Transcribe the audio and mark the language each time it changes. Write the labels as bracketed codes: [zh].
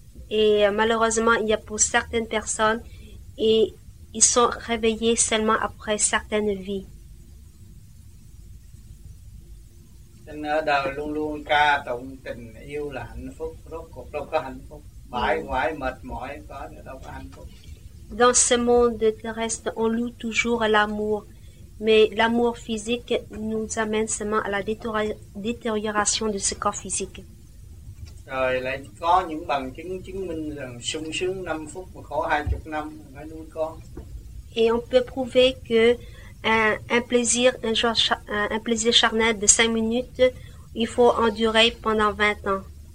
[fr] Et malheureusement, il y a pour certaines personnes, et ils sont réveillés seulement après certaines vies. [vi] Ở đời luôn luôn ca tụng tình yêu là hạnh phúc, rốt cuộc đâu có hạnh phúc, bãi hoại mệt mỏi có thì đâu có hạnh phúc. [fr] Dans ce monde terrestre, on loue toujours l'amour, mais l'amour physique nous amène seulement à la détérioration de ce corps physique. [vi] Rồi lại có những bằng chứng chứng minh rằng sung sướng 5 phút mà khổ 20 năm phải nuôi con. [fr] Et on peut prouver que un plaisir charnel de 5 minutes, il faut endurer pendant 20 ans.